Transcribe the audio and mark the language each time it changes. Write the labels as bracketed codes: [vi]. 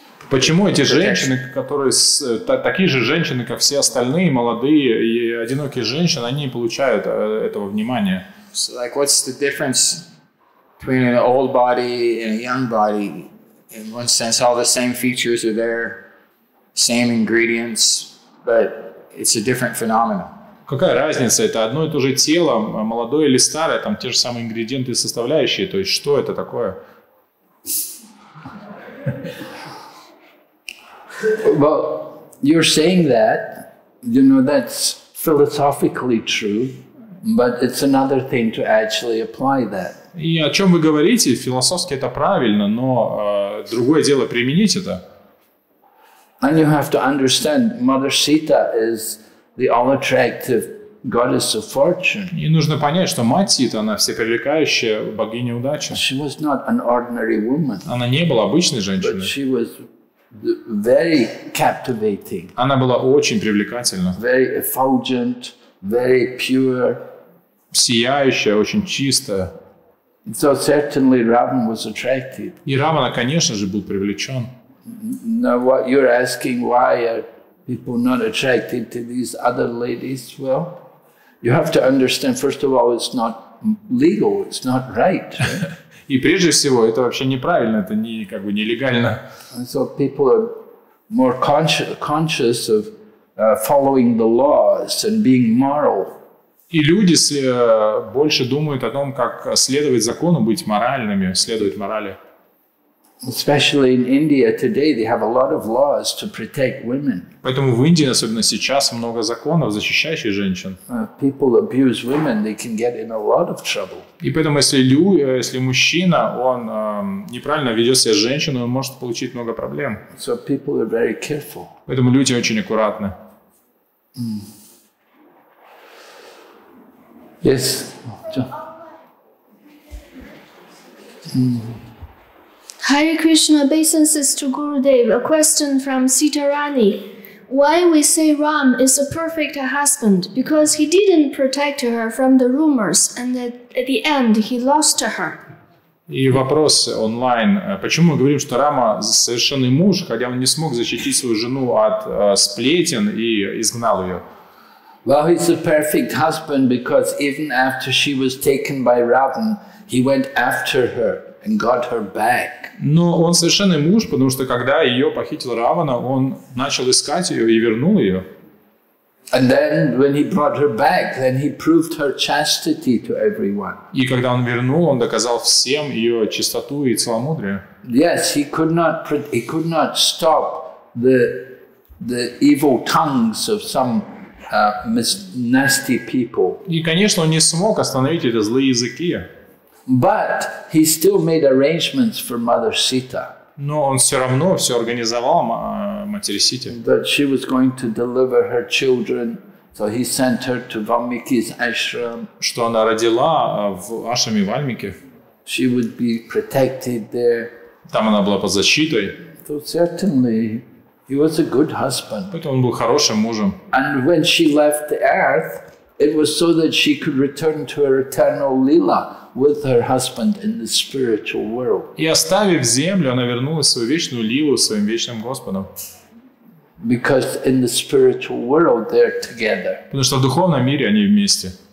[ru] Почему эти женщины, которые такие же женщины, как все остальные, молодые и одинокие женщины, они не получают этого внимания? [en] So, like, what's the difference between an old body and a young body? In one sense, all the same features are there, same ingredients, but it's a different phenomenon. [ru] Какая разница? Это одно и то же тело, молодое или старое, там те же самые ингредиенты и составляющие, то есть что это такое? [en] Well, you're saying that, you know, that's philosophically true, but it's another thing to actually apply that. [ru] И о чем вы говорите, философски это правильно, но другое дело применить это. [en] And you have to understand, Mother Sita is the all-attractive goddess of fortune. [ru] И нужно понять, что Мать Сита, она всепривлекающая богиня удачи. [en] She was not an ordinary woman. [ru] Она не была обычной женщиной. [en] But she was very captivating. [ru] Она была очень привлекательна. [en] Very effulgent, very pure. [ru] Сияющая, очень чистая. [en] So certainly Ravana was attracted. [ru] И Равана, конечно же, был привлечен. [en] Now what you're asking, why are people not attracted to these other ladies? Well, you have to understand, first of all, it's not legal, it's not right. [ru] И прежде всего, это вообще неправильно, это не как бы нелегально. [en] And so people are more conscious of following the laws and being moral. [ru] И люди больше думают о том, как следовать закону, быть моральными, следовать морали. [en] Especially in India today, they have a lot of laws to protect women. [ru] Поэтому в Индии, особенно сейчас, много законов, защищающих женщин. [en] People abuse women, they can get in a lot of trouble. [ru] И поэтому, если мужчина, он неправильно ведет себя с женщиной, он может получить много проблем. [en] So people are very careful. [ru] Поэтому люди очень аккуратны. [en] Yes. Hare Krishna, obeisances to Gurudev. A question from Sitarani. Why we say Ram is a perfect husband? Because he didn't protect her from the rumors, and at the end he lost to her. [ru] И вопрос онлайн. Почему мы говорим, что Рама совершенный муж, хотя он не смог защитить свою жену от сплетен и изгнал ее? [en] Well, he's a perfect husband because even after she was taken by Ravan, he went after her and got her back. [ru] Но он совершенный муж, потому что когда ее похитил Равана, он начал искать ее и вернул ее. [en] And then when he brought her back, then he proved her chastity to everyone. [ru] И когда он вернул, он доказал всем ее чистоту и целомудрие. [en] Yes, he could not stop the evil tongues of some nasty people. [ru] И конечно, он не смог остановить эти злые языки. [en] But he still made arrangements for Mother Sita. [ru] Но он все равно все организовал матери Сите. [en] That she was going to deliver her children, so he sent her to Valmiki's ashram. [ru] Что она родила в ашраме Вальмики. [en] She would be protected there. [ru] Там она была под защитой. [en] So certainly he was a good husband. [ru] Поэтому он был хорошим мужем. [en] And when she left the earth, it was so that she could return to her eternal lila with her husband in the spiritual world. [ru] И оставив землю, она вернулась в свою вечную лилу с своим вечным Господом. [en] Because in the spiritual world they're together. [ru] Потому что в духовном мире они вместе.